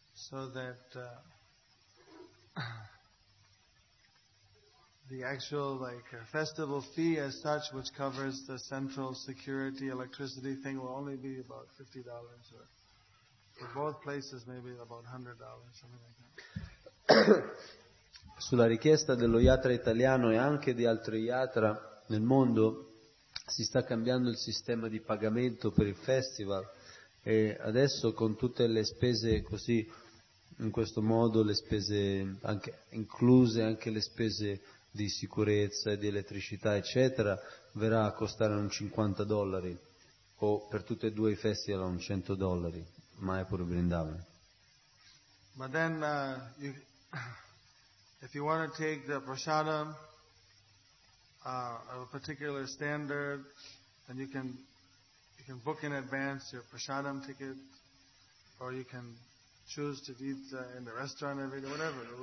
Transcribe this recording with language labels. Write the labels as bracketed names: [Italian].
[English] So that the actual festival fee as such, which covers the central security electricity thing, will only be about $50, or for both places maybe about $100, something like that. [Italian] Sulla richiesta dello yatra italiano e anche di altri yatra nel mondo si sta cambiando il sistema di pagamento per il festival, e adesso con tutte le spese così, in questo modo le spese, anche incluse anche le spese di sicurezza e di elettricità eccetera, verrà a costare un $50, o per tutte e due i festival un $100, ma è pure Vrindavan. [English] But then, you, if you want to take the prasadam of a particular standard, then you can book in advance your prasadam ticket, or you can choose to eat in the restaurant every day, whatever.